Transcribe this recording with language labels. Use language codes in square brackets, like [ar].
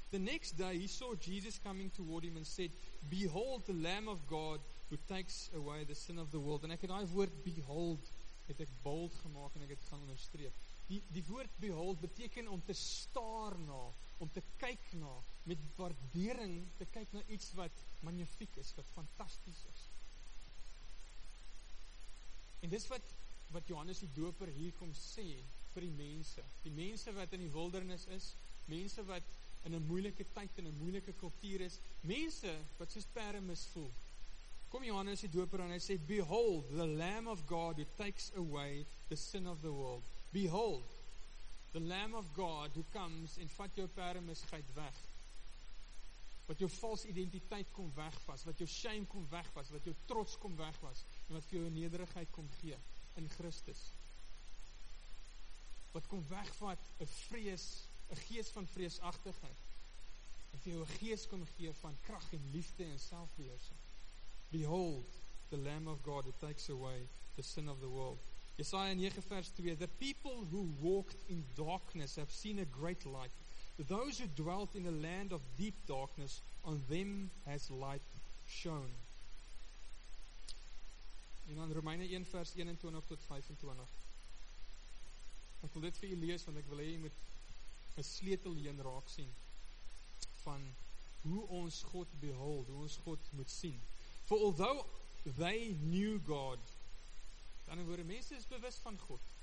[en] The next day he saw Jesus coming toward him and said, "Behold the Lamb of God who takes away the sin of the world." [af] En ek het daai woord behold, het ek bold gemaak en ek het gaan onderstreep. Die woord behold beteken om te staar na, om te kyk na, met waardering te kyk na iets wat magnifiek is, wat fantastisch is. En dis wat Johannes die Doper hier kom sê vir die mense wat in die wildernis is, mense wat in 'n moeilike tyd, in 'n moeilike kultuur is, mense wat soos perde misvoel. Kom Johannes die Doper en hy sê, [en] "Behold the Lamb of God who takes away the sin of the world. Behold the Lamb of God who comes [af] en vat jou perdemisgeit weg, wat jou valse identiteit kom wegpas, wat jou shame kom wegpas, wat jou trots kom wegpas, en wat vir jou nederigheid kom gee in Christus, wat kom wegvat 'n vrees, 'n gees van vreesagtigheid, en vir jou 'n gees kom gee van krag en liefde en selfbeheersing. [en] Behold the Lamb of God who takes away the sin of the world." Jesaja 9 vers 2, "The people who walked in darkness have seen a great light. Those who dwelt in a land of deep darkness, on them has light shone." [af] En dan Romeine 1 vers 21 tot 25. Ek wil dit vir jy lees, want ek wil hê jy moet 'n sleutel hierin raak sien van hoe ons God behold, hoe ons God moet sien. [en] "For although they knew God," [af] dan word mense is bewus van God.